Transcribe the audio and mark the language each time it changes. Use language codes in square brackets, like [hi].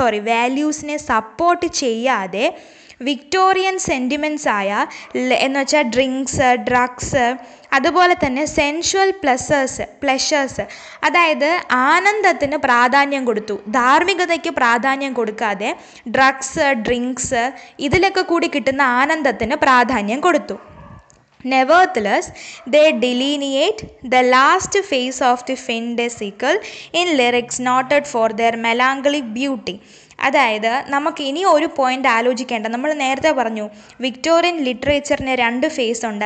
[ml] വാല്യൂസിനെ support ചെയ്യാതെ Victorian sentiments ആയ എന്ന് വെച്ചാൽ ഡ്രിങ്ക്സ്, ഡ്രഗ്സ്, അതുപോലെ തന്നെ സെൻഷ്വൽ പ്ലെഷേഴ്സ്, അതായത് ആനന്ദത്തിന് പ്രാധാന്യം കൊടുത്തു, ധാർമ്മികതയ്ക്ക് പ്രാധാന്യം കൊടുക്കാതെ ഡ്രഗ്സ്, ഡ്രിങ്ക്സ് ഇതിലൊക്കെ കൂടി കിട്ടുന്ന ആനന്ദത്തിന് പ്രാധാന്യം കൊടുത്തു. [en] Nevertheless, they delineate the last phase of the fantasticle in lyrics noted for their melancholic beauty. [ml] അതായത് നമുക്ക് ഇനി ഒരു പോയിൻ്റ് ആലോചിക്കേണ്ട. നമ്മൾ നേരത്തെ പറഞ്ഞു വിക്ടോറിയൻ ലിറ്ററേച്ചറിന് രണ്ട് ഫേസ് ഉണ്ട്.